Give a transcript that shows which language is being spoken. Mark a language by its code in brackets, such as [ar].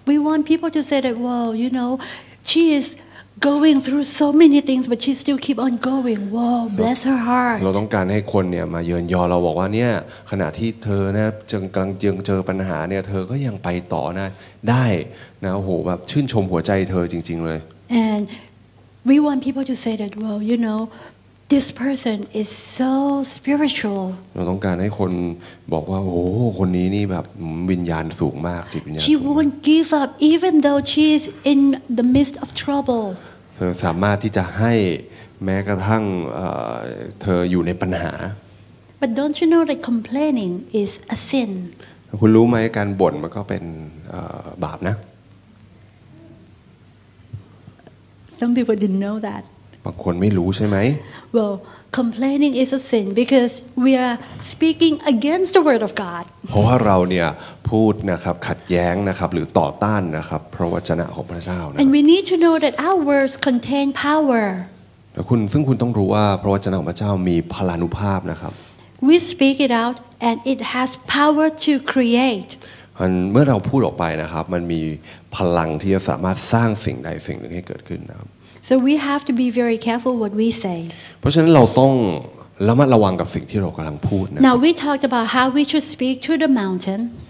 [en] We want people to say that wow you know she is going through so many things but she still keep on going wow bless her heart [th] เราต้องการให้คนเนี่ยมาเยือนยอเราบอกว่าเนี่ยขณะที่เธอนะจึงกำลังยังเจอปัญหาเนี่ยเธอก็ยังไปต่อนะได้นะโหแบบชื่นชมหัวใจเธอจริงๆเลย [en] And we want people to say that wow you knowThis person is so spiritual. [th] เราต้องการให้คนบอกว่าโอ้คนนี้นี่แบบวิญญาณสูงมากจิตวิญญาณ [en] She won't give up even though she's in the midst of trouble. [th] เธอสามารถที่จะให้แม้กระทั่งเธออยู่ในปัญหา [en] But don't you know that complaining is a sin? [th] คุณรู้ไหมการบ่นมันก็เป็นบาปนะ [en] Some people didn't know that. [th] บางคนไม่รู้ใช่ไหม [en] Well, complaining is a sin because we are speaking against the word of God. [th] เพราะว่าเราเนี่ยพูดนะครับขัดแย้งนะครับหรือต่อต้านนะครับพระวจนะของพระเจ้านะ [en] And we need to know that our words contain power. [th] แล้วคุณซึ่งคุณต้องรู้ว่าพระวจนะของพระเจ้ามีพลานุภาพนะครับ [en] We speak it out and it has power to create. [th] เมื่อเราพูดออกไปนะครับมันมีพลังที่จะสามารถสร้างสิ่งใดสิ่งหนึ่งให้เกิดขึ้นนะครับ [en] So we have to be very careful what we say. [th] เพราะฉะนั้นเราต้องระมัดระวังกับสิ่งที่เรากำลังพูดนะ [en] Now we talked about how we should speak to the mountain.